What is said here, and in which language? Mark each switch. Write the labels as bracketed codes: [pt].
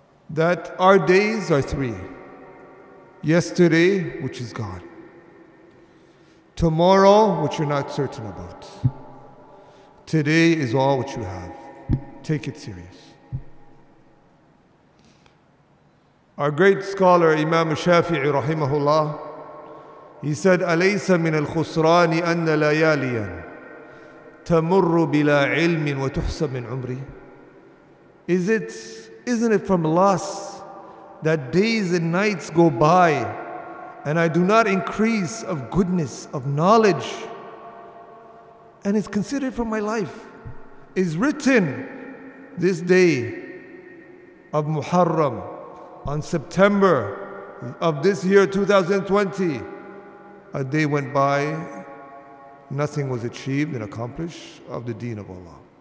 [en] That our days are three. Yesterday, which is gone. Tomorrow, which you're not certain about. Today is all which you have. Take it serious. Our great scholar, Imam Shafi'i rahimahullah, he said, [ar] أَلَيْسَ مِنَ الْخُسْرَانِ أَنَّ لَيَالِيًا تَمُرُّ بِلَا عِلْمٍ وَتُحْسَبْ مِنْ عُمْرِي. [en] Isn't it from loss that days and nights go by and I do not increase of goodness, of knowledge, and it's considered from my life? Is written this day of Muharram on September of this year, 2020, a day went by, nothing was achieved and accomplished of the deen of Allah.